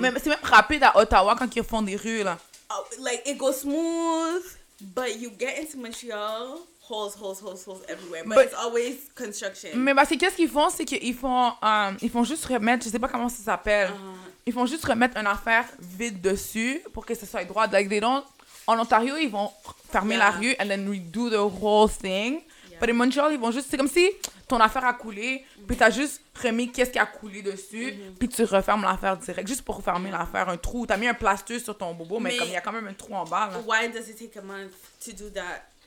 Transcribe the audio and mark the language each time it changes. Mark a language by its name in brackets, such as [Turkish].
[French] Mais c'est même rapide à Ottawa quand ils font des rues là. [English] Like, it goes smooth, but you get into Montreal, holes everywhere. But it's always construction. [French] Mais bah, c'est qu'est-ce qu'ils font? C'est qu'ils font juste remettre, je sais pas comment ça s'appelle. Ils font juste remettre une affaire vide dessus pour que ce soit droit. [English] Like, they don't. [French] En Ontario, ils vont fermer la rue [English] and then redo the whole thing. [French] Mais en Montréal, ils vont juste. C'est comme si ton affaire a coulé, puis t'as juste remis qu'est-ce qui a coulé dessus, puis tu refermes l'affaire direct, juste pour fermer l'affaire, un trou. T'as mis un plaster sur ton bobo, mais comme il y a quand même un trou en bas. Là. [English] Why does it take a month to do that?